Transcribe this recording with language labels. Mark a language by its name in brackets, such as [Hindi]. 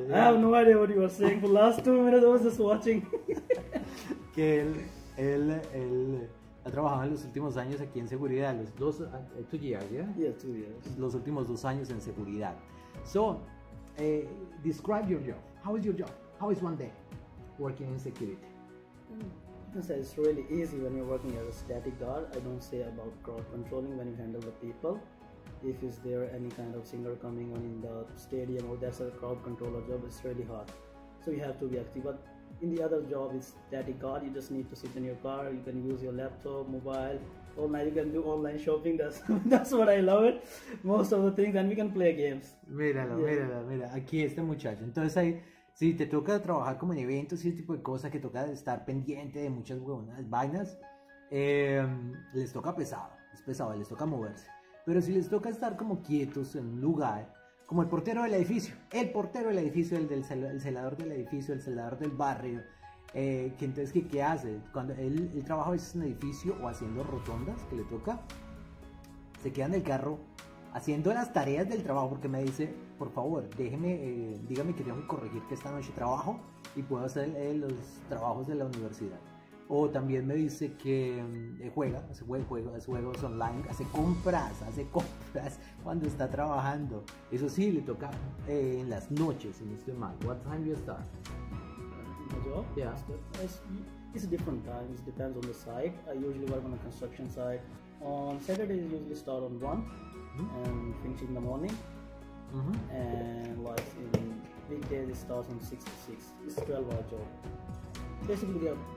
[English] I have no idea what you were saying for the last 2 minutes. I was just watching. [Spanish] Que él ha trabajado en los últimos años aquí en seguridad, los dos, [English] 2 years, [Spanish] ¿ya? [English] Yeah, 2 years. [Spanish] Los últimos 2 años en seguridad. [English] So, describe your job. How is your job? How is one day working in security? It's really easy when you're working as a static guard. I don't say about crowd controlling when you handle the people. If is there any kind of singer coming on in the stadium or that's a crowd controller job, it's really hard. So you have to be active. But in the other job, it's static guard. You just need to sit in your car. You can use your laptop, mobile, online. You can do online shopping. That's what I love it. Most of the things, and we can play games. [Spanish] Míralo, míralo, mira. Aquí este muchacho. Entonces ahí. Si te toca trabajar como en eventos y ese tipo de cosas que toca estar pendiente de muchas huevonas, vainas, les toca pesado, es pesado, les toca moverse. Pero si les toca estar como quietos en un lugar, como el portero del edificio, el portero del edificio, el celador del edificio, el celador del barrio, que entonces, ¿qué hace? Cuando él trabaja a veces en edificio o haciendo rotondas que le toca, se queda en el carro haciendo las tareas del trabajo, porque me dice, por favor, dígame que tengo que corregir que esta noche trabajo y puedo hacer los trabajos de la universidad. O también me dice que juega, hace juegos online, hace compras cuando está trabajando. Eso sí, le toca en las noches, si no estoy mal. [English] What time you start? My job, Yeah. it's a different time, it depends on the site. I usually work on a construction site. On Saturdays, I usually start on 1 and finish in the morning. And like in weekdays, it starts on 6 to 6. It's a 12-hour job. Basically,